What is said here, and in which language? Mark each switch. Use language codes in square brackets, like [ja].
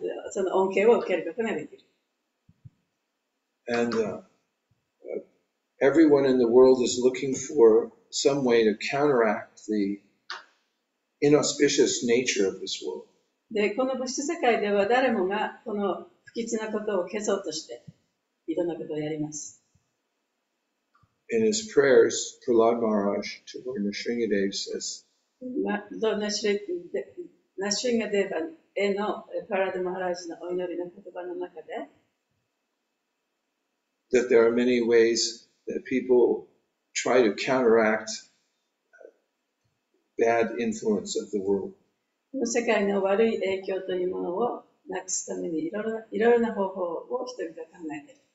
[ja] その恩恵を受けることができる。 [en] And everyone in the world is looking for some way to counteract the inauspicious nature of this world. [ja] でこの物質世界では誰もがこの不吉なことを消そうとしていろんなことをやります。 [en] In his prayers, Prahlad Maharaj to Lord Nrisimhadeva says, [ja] Lord Nrisimhadeva への Prahlad Maharaj のお祈りの言葉の中で [en] that there are many ways that people try to counteract bad influence of the world. [ja] この世界の悪い影響というものをなくすためにいろいろな方法を人々が考えている。